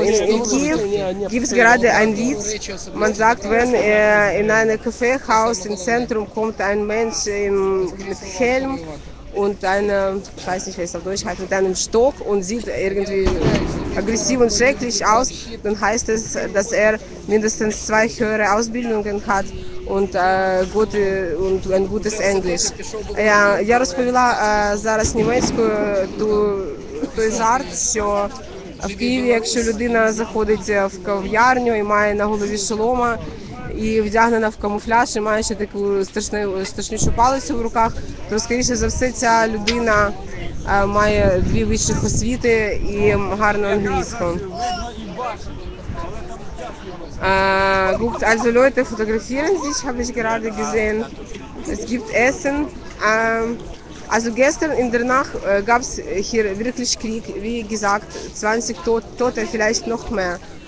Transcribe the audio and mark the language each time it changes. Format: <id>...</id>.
<de>In Kiew gibt es gerade einen Witz. Man sagt, wenn in einem Kaffeehaus im Zentrum kommt ein Mensch mit Helm und einem, ich weiß nicht, wie es auf Deutsch heißt, mit einem Stock und sieht irgendwie aggressiv und schrecklich aus, dann heißt es, dass er mindestens 2 höhere Ausbildungen hat und, gute, und ein gutes Englisch.</de> <uk>Я розповіла зараз німецькою. Той жарт, що в Києві, якщо людина заходить в кав'ярню і має на голові шолома, і вдягнена в камуфляж, і має ще таку страшнішу палицю в руках, то, скоріше за все, ця людина має 2 вищих освіти і гарну англійську.</uk> <de>Gut, also Leute fotografieren sich, habe ich gerade gesehen. Es gibt Essen. Also gestern in der Nacht gab es hier wirklich Krieg, wie gesagt, 20 Tote, vielleicht noch mehr.</de>